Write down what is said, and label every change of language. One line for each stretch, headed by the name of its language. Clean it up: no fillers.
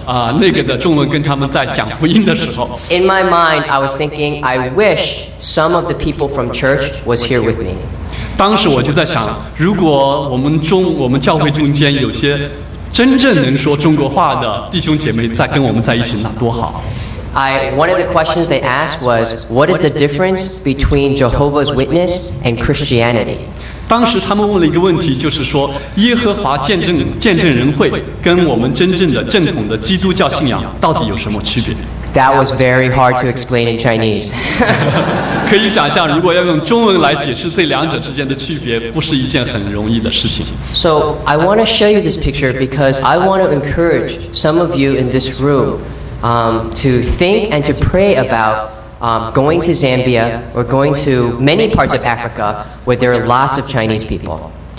Chinese: 所以在那里我跟他们用我们非常非常那个的中文跟他们在讲福音的时候,
English: in my mind, I was thinking, I wish some of the people from church was here with me.
Chinese: 当时我就在想，如果我们教会中间有些真正能说中国话的弟兄姐妹在跟我们在一起，那多好。
English: One of the questions they asked was, what is the difference between Jehovah's Witness and Christianity?
Chinese: 当时他们问了一个问题，就是说耶和华见证人会跟我们真正的正统的基督教信仰到底有什么区别？
English: That was very hard to explain in Chinese.
Chinese: 可以想象，如果要用中文来解释这两者之间的区别，不是一件很容易的事情。
English: So I want to show you this picture because I want to encourage some of you in this room to think and to pray about going to Zambia or going to many parts of Africa where there are lots of Chinese people.